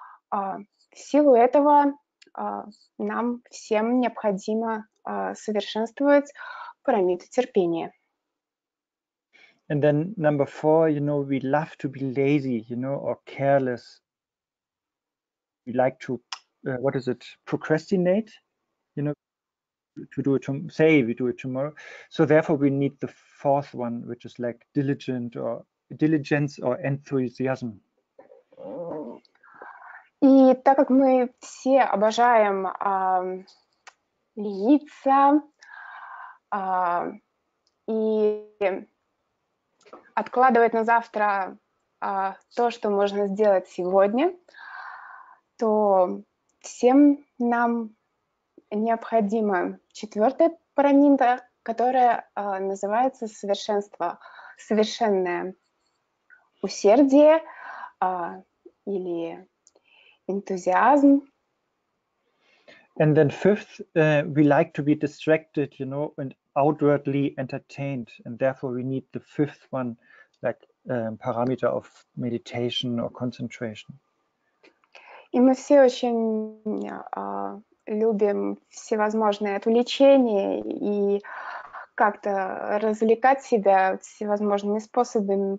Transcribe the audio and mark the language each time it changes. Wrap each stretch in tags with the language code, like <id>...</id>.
<ru>В силу этого нам всем необходимо совершенствовать парамиду терпения.</ru> <en>And then number four, you know, we love to be lazy, you know, or careless. We like to, what is it, procrastinate? You know, to do it, say we do it tomorrow. So therefore, we need the fourth one, which is like diligent or diligence or enthusiasm.</en> <ru>И так как мы все обожаем лениться и откладывать на завтра то, что можно сделать сегодня, то всем нам необходима четвертая парамида, которая называется совершенство, совершенное усердие или энтузиазм.</ru> <en>And then fifth, we like to be distracted, you know, and outwardly entertained, and therefore we need the fifth one, like parameter of meditation or concentration.</en> <ru>И мы все очень любим всевозможные отвлечения и как-то развлекать себя всевозможными способами.</ru>